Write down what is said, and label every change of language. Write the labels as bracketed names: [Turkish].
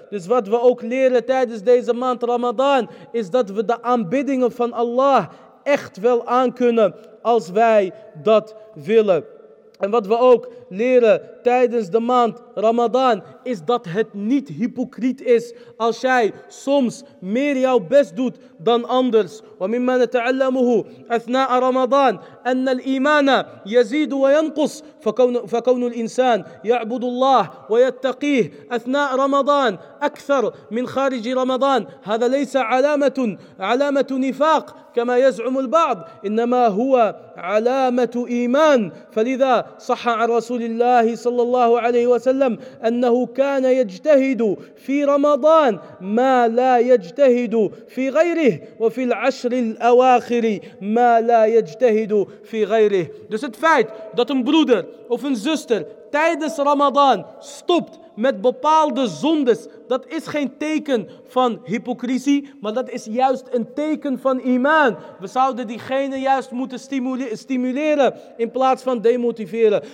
[Dutch] Dus wat we ook leren tijdens deze maand Ramadan is dat we de aanbiddingen van Allah echt wel aankunnen als wij dat willen. En wat we ook leren tijdens de maand Ramadan is dat het niet hypocriet is als jij soms meer jouw best doet dan anders. [Arabic] وَمِمَّا نَتَعَلَّمُهُ أَثْنَاءَ رَمَضَانَ أَنَّ الْإِيمَانَ يَزِيدُ وَيَنْقُصُ فَكَوْنُ الْإِنسَانِ يَعْبُدُ اللَّهَ وَيَتَّقِيهِ أَثْنَاءَ رَمَضَانَ أَكْثَرُ مِنْ خَارِجِ رَمَضَانَ هَذَا لَيْسَ عَلَامَةُ نِفَاقٍ كما يزعم البعض إنما هو علامة إيمان فلذا صح عن رسول الله صلى الله عليه وسلم أنه كان يجتهد في رمضان ما لا يجتهد في غيره وفي العشر الأواخر ما لا يجتهد في غيره. [Dutch] Dus het feit dat een broeder of een zuster tijdens Ramadan stopt met bepaalde zondes, dat is geen teken van hypocrisie, maar dat is juist een teken van iman. We zouden diegene juist moeten stimuleren in plaats van demotiveren.